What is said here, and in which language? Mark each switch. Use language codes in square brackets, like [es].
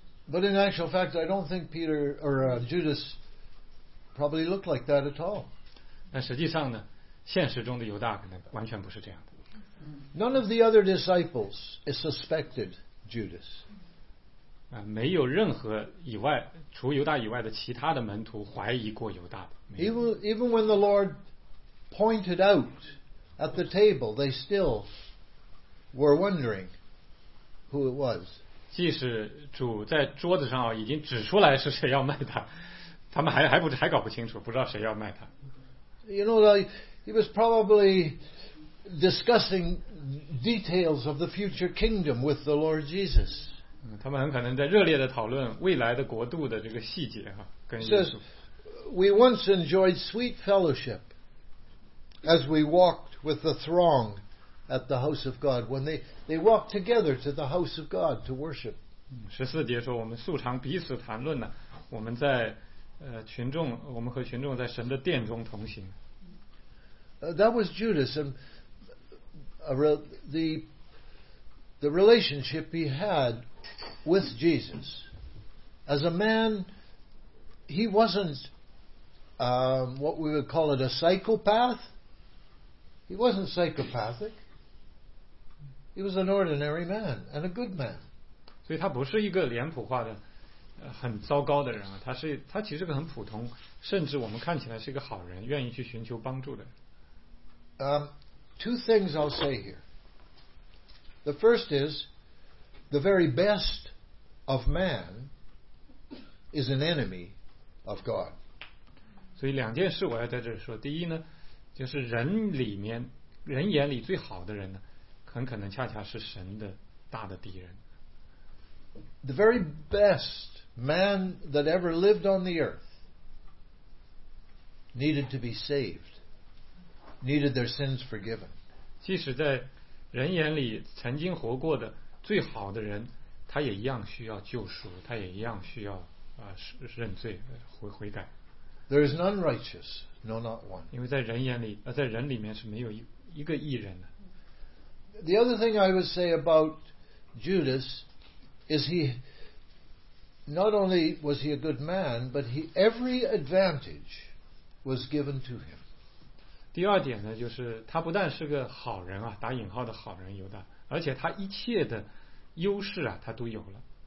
[en] But in actual fact, I don't think Peter or Judas probably looked like that at all. [zh] 但实际上呢，现实中的犹大可能完全不是这样的。 [en] None of the other disciples suspected Judas. [zh] 没有任何以外，除犹大以外的其他的门徒怀疑过犹大的。 [en] Even when the Lord pointed out at the table, they still were wondering who it was. [zh] 即使主在桌子上已经指出来是谁要卖他，他们还搞不清楚，不知道谁要卖他。 [en] You know, he was probably discussing details of the future kingdom with the Lord Jesus. [zh] 他们很可能在热烈的讨论未来的国度的这个细节哈，跟耶稣。 [en] Says, we once enjoyed sweet fellowship as we walked with the throng. At the house of God, when they walked together to the house of God to worship. [zh] 十四节说，我们素常彼此谈论呢，我们在群众，我们和群众在神的殿中同行。 [en] That was Judas and the relationship he had with Jesus. As a man, he wasn't what we would call it a psychopath. He wasn't psychopathic. He was an ordinary man and a good man. [zh] 所以他不是一个脸谱化的很糟糕的人啊，他其实很普通，甚至我们看起来是一个好人，愿意去寻求帮助的。 [en] Two things I'll say here. The first is the very best of man is an enemy of God. [zh] 所以两件事我要在这说，第一呢，就是人里面人眼里最好的人呢。很可能恰恰是神的大的敌人。 [en] The very best man that ever lived on the earth needed to be saved, needed their sins forgiven. [zh] 即使在人眼里曾经活过的最好的人，他也一样需要救赎，他也一样需要认罪悔改。 [en] There is none righteous, no, not one. [zh] 因为在人眼里，在人里面是没有一个义人的。 [en] The other thing I would say about Judas is he not only was he a good man, but every advantage was given to him. [zh] 第二点呢，就是他不但是个好人啊，打引号的好人犹大，而且他一切的优势啊，他都有了。